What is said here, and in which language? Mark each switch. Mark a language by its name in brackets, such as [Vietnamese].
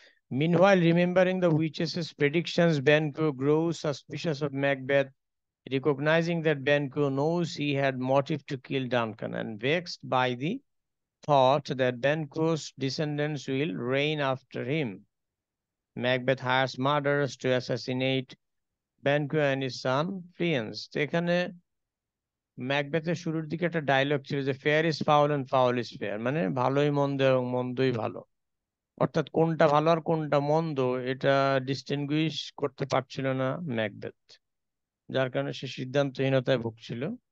[English] Meanwhile remembering the witches predictions, Banquo grow suspicious of Macbeth, recognizing that Banquo knows he had motive to kill Duncan, and vexed by the thought that Banquo's descendants will reign after him. Macbeth hires murderers to assassinate Banquo and his son, Fiennes. [Bangla] তো এখানে ম্যাকবেথের শুরুর দিকে একটা dialogue ছিল যে [English] fair is foul and foul is fair, [Bangla] মানে ভালোই মন্দ এবং মন্দই ভালো, অর্থাৎ কোনটা ভালো আর কোনটা মন্দ এটা ডিস্টিংগুইশ করতে পারছিল না ম্যাকবেথ, যার কারণে সে সিদ্ধান্তহীনতায় ভুগছিল।